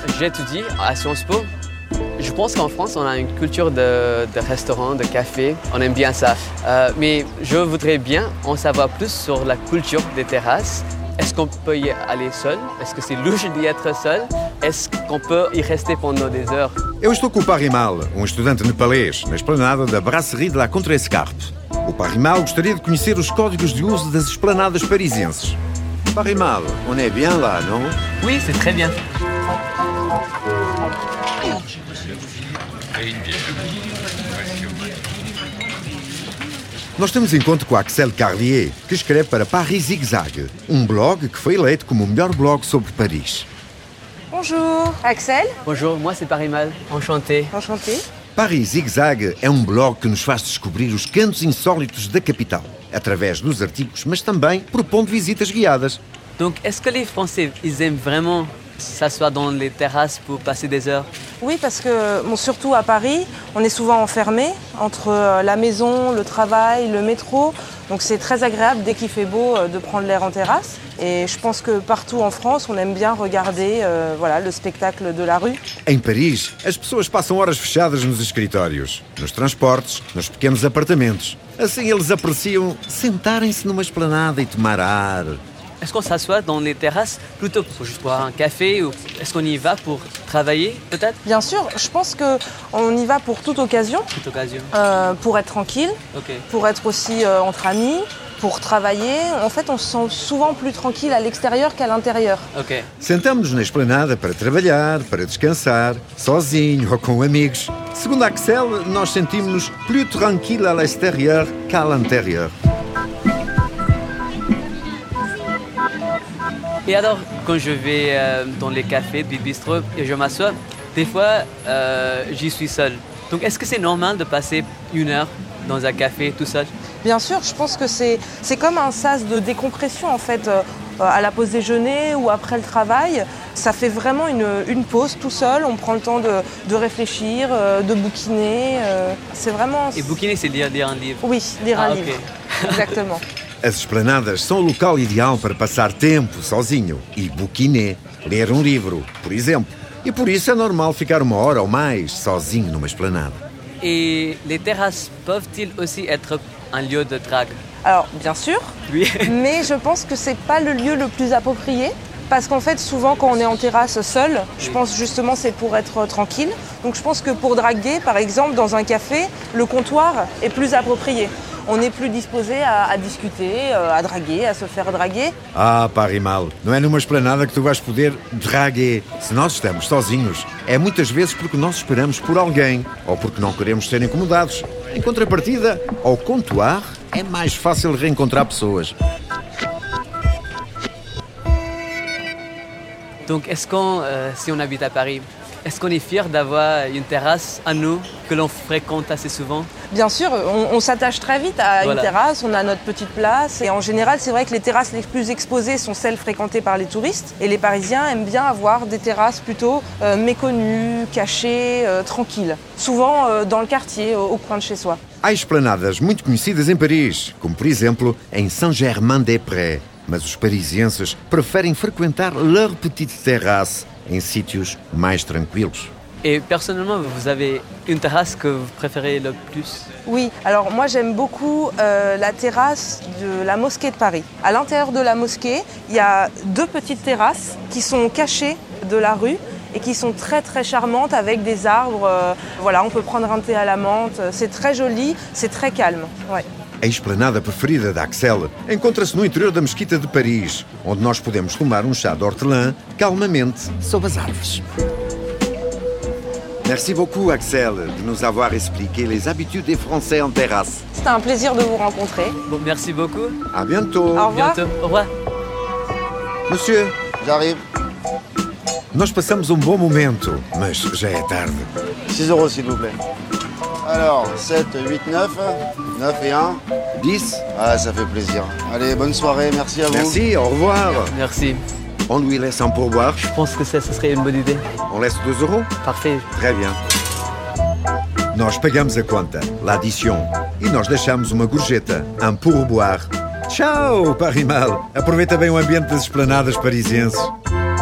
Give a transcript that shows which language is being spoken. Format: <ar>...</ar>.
<fr>J'étudie à Sciences Po. Je pense qu'en France, on a une culture de restaurants, de cafés. On aime bien ça. Mais je voudrais bien en savoir plus sur la culture des terrasses. Est-ce qu'on peut y aller seul? Est-ce que c'est louche d'y être seul? Est-ce qu'on peut y rester pendant des heures?</fr> <pt>Eu estou com o Parimal, um estudante nepalês, na esplanada da Brasserie de la Contrescarpe. O Parimal gostaria de conhecer os códigos de uso das esplanadas parisienses.</pt> <fr>Parimal, on est bien là, non? Oui, c'est très bien.</fr> <pt>Nós temos encontro com a Axelle Carlier, que escreve para Paris Zigzag, um blog que foi eleito como o melhor blog sobre Paris.</pt> <fr>Bonjour, Axelle. Bonjour, moi c'est Parimal. Enchanté. Enchanté.</fr> <pt>Paris Zigzag é um blog que nos faz descobrir os cantos insólitos da capital, através dos artigos, mas também propondo visitas guiadas.</pt> <fr>Donc, est-ce que les Français, ils aiment vraiment s'asseoir dans les terrasses pour passer des heures? Oui, parce que bon, surtout à Paris, on est souvent enfermé entre la maison, le travail, le métro. Donc c'est très agréable dès qu'il fait beau de prendre l'air en terrasse. Et je pense que partout en France, on aime bien regarder voilà, le spectacle de la rue.</fr> <pt>Em Paris, as pessoas passam horas fechadas nos escritórios, nos transportes, nos pequenos apartamentos. Assim eles apreciam sentarem-se numa esplanada e tomar ar.</pt> <fr>Est-ce qu'on s'assoit dans les terrasses plutôt que juste boire un café ou est-ce qu'on y va pour travailler peut-être? Bien sûr, je pense qu'on y va pour toute occasion. Toute occasion. Pour être tranquille, okay. Pour être aussi entre amis, pour travailler. En fait, on se sent souvent plus tranquille à l'extérieur qu'à l'intérieur. Okay.</fr> <pt>Sentamos-nos na esplanada para trabalhar, para descansar, sozinho ou com amigos. Segundo a Axelle, nós sentimos-nos</pt> <fr>plus tranquille à l'extérieur qu'à l'intérieur. Et alors, quand je vais dans les cafés, les bistrots, et je m'assois, des fois, j'y suis seul. Donc, est-ce que c'est normal de passer une heure dans un café tout seul? Bien sûr, je pense que c'est comme un sas de décompression, en fait, à la pause déjeuner ou après le travail. Ça fait vraiment une pause tout seul. On prend le temps de réfléchir, de bouquiner. C'est vraiment... Et bouquiner, c'est lire un livre? Oui, lire un livre. Exactement.</fr> <pt>As esplanadas são o local ideal para passar tempo sozinho e bouquiner, ler um livro, por exemplo. E por isso é normal ficar uma hora ou mais sozinho numa esplanada.</pt> <fr>E les terrasses peuvent-ils aussi être un lieu de drague? Alors, bien sûr. Oui. Mais je pense que c'est pas le lieu le plus approprié. Parce qu'en fait, souvent, quand on est en terrasse seul, je pense justement c'est pour être tranquille. Donc je pense que pour draguer, par exemple, dans un café, le comptoir est plus approprié. On est plus disposé à discuter, à draguer, à se faire draguer.</fr> <pt>Ah, Parimal, não é numa esplanada que tu vais poder draguer. Se nós estamos sozinhos, é muitas vezes porque nós esperamos por alguém ou porque não queremos ser incomodados. Em contrapartida, ao comptoir, é mais fácil reencontrar pessoas.</pt> <fr>Donc, est-ce qu'on, si on habite à Paris, est-ce qu'on est fier d'avoir une terrasse à nous que l'on fréquente assez souvent? Bien sûr, on s'attache très vite à une terrasse, on a notre petite place. Et en général, c'est vrai que les terrasses les plus exposées sont celles fréquentées par les touristes. Et les Parisiens aiment bien avoir des terrasses plutôt méconnues, cachées, tranquilles. Souvent dans le quartier, au coin de chez soi.</fr> <pt>Há esplanadas muito conhecidas em Paris, como por exemplo em Saint-Germain-des-Prés. Mas os parisienses preferem frequentar</pt> <fr>leur petite terrasse</fr> <pt>em sítios mais tranquilos.</pt> <fr>E, personnellement, vous avez une terrasse que vous préférez le plus? Oui, alors moi j'aime beaucoup la terrasse de la mosquée de Paris. À l'intérieur de la mosquée, il y a 2 petites terrasses qui sont cachées de la rue et qui sont très très charmantes avec des arbres. Voilà, on peut prendre un thé à la menthe, c'est très joli, c'est très calme. Ouais.</fr> <pt>A esplanada preferida da Axelle encontra-se no interior da Mesquita de Paris, onde nós podemos tomar um chá de hortelã calmamente sob as árvores.</pt> <fr>Merci beaucoup, Axelle, de nos avoir expliqué les habitudes des Français en terrasse. C'était un plaisir de vous rencontrer. Bon, merci beaucoup. À bientôt. Au revoir. Bientôt. Au revoir. Monsieur, j'arrive.</fr> <pt>Nós passamos um bom momento, mas já é tarde.</pt> <fr>6 euros, s'il vous plaît. Alors, 7, 8, 9, 9 et 1. 10. Ah, ça fait plaisir. Allez, bonne soirée, merci à vous. Merci, au revoir. Merci. On lui laisse un pourboire? Je pense que ça, ce serait une bonne idée. On laisse 2 euros? Parfait. Très bien.</fr> <pt>Nós pagamos a conta, l'addition, e nós deixamos uma gorjeta, un pourboire. Tchau, Paris Mal! Aproveita bem o ambiente das esplanadas parisienses.</pt>